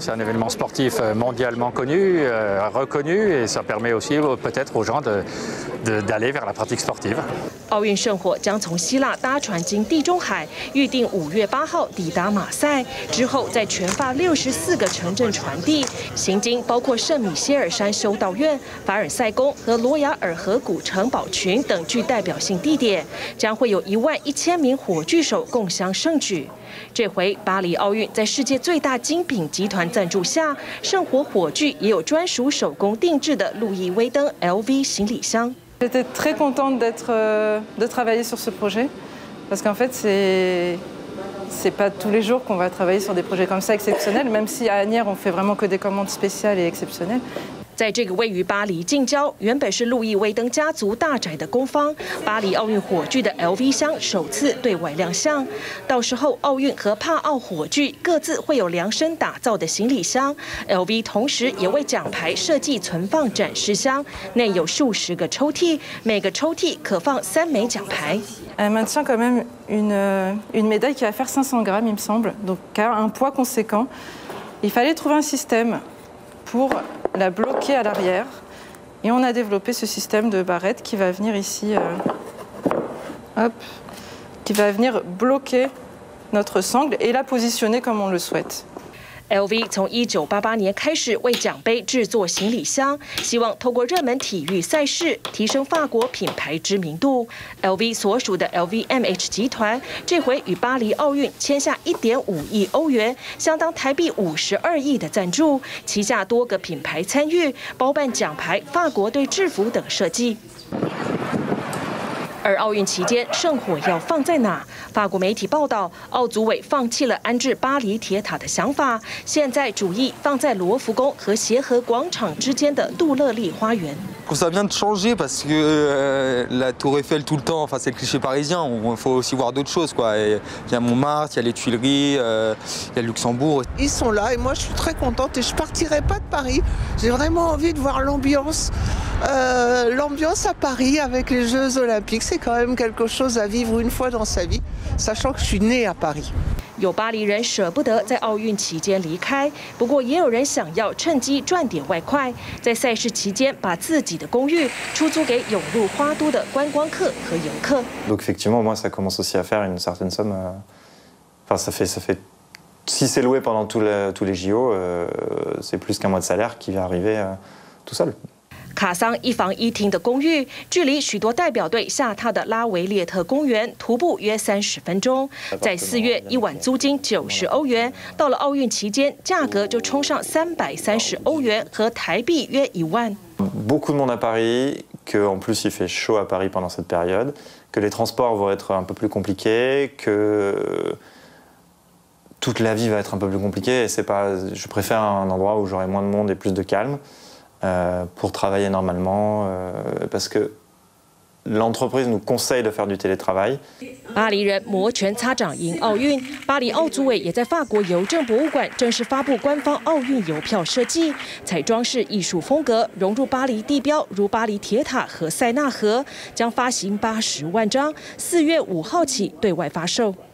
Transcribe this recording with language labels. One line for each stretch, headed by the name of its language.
French: C'est un événement sportif mondialement connu, reconnu, et ça permet aussi peut-être aux gens d'aller vers la pratique sportive.
Chinese: 奥运圣火将从希腊搭船经地中海，预定5月8号抵达马赛，之后在全法64个城镇传递，行经包括圣米歇尔山修道院、凡尔赛宫和罗雅尔河谷城堡群等具代表性地点，将会有11,000名火炬手共襄盛举。这回巴黎奥运在世界最大精品集团赞助下，圣火火炬也有专属手工定制的路易威登 LV 行李箱。
French: J'étais très contente de travailler sur ce projet parce qu'en fait c'est pas tous les jours qu'on va travailler sur des projets comme ça exceptionnels, même si à Anières on fait vraiment que des commandes spéciales et exceptionnelles.
Chinese: 在这个位于巴黎近郊、原本是路易威登家族大宅的工坊，巴黎奥运火炬的 LV 箱首次对外亮相。到时候，奥运和帕奥火炬各自会有量身打造的行李箱 ，LV 同时也为奖牌设计存放展示箱，内有数十个抽屉，每个抽屉可放3枚奖牌。
French: Elle maintient quand même une médaille qui va faire 500 grammes, il me semble, donc un poids conséquent. Il fallait trouver un système. Pour la bloquer à l'arrière. Et on a développé ce système de barrettes qui va venir ici, qui va venir bloquer notre sangle et la positionner comme on le souhaite.
Chinese: LV 从1988年开始为奖杯制作行李箱，希望透过热门体育赛事提升法国品牌知名度。 LV 所属的 LVMH 集团这回与巴黎奥运签下1.5亿欧元，相当台币52亿的赞助，旗下多个品牌参与包办奖牌、法国队制服等设计。而奥运期间，圣火要放在哪？法国媒体报道，奥组委放弃了安置巴黎铁塔的想法，现在主意放在罗浮宫和协和广场之间的杜勒利花园。
French: Ça vient de changer parce que la Tour Eiffel tout le temps, enfin c'est le cliché parisien. Il faut aussi voir d'autres choses, quoi. Il y a Montmartre, il y a les Tuileries, il y a le Luxembourg. Ils sont là et moi je suis très contente et je partirai pas de Paris. J'ai vraiment envie de voir l'ambiance à Paris avec les Jeux Olympiques. C'est quand même quelque chose à vivre une fois dans sa vie, sachant que je suis née à Paris.
Chinese: 有巴黎人舍不得在奥运期间离开，不过也有人想要趁机赚点外快，在赛事期间把自己的公寓出租给涌入花都的观光客和游客。
French: Donc effectivement, moi, ça commence aussi à faire une certaine somme. Enfin, ça fait, si c'est loué pendant tous les JO, c'est plus qu'un mois de salaire qui va arriver tout seul.
Chinese: 卡桑一房一厅的公寓距离许多代表队下榻的拉维列特公园徒步约30分钟，在4月一晚租金90欧元，到了奥运期间价格就冲上330欧元，和台币约10,000。
French: Beaucoup de monde à Paris, que en plus il fait chaud à Paris pendant cette période, que les transports vont être un peu plus compliqués, que toute la vie va être un peu plus compliquée. Et c'est pas, je préfère un endroit où j'aurai moins de monde et plus de calme.Pour travailler normalement, parce que L'entreprise nous conseille de faire du télétravail.
Chinese: 巴黎人摩拳擦掌迎奥运，巴黎奥组委也在法国邮政博物馆正式发布官方奥运邮票设计，彩装饰艺术风格融入巴黎地标，如巴黎铁塔和塞纳河，将发行80万张，4月5号起对外发售。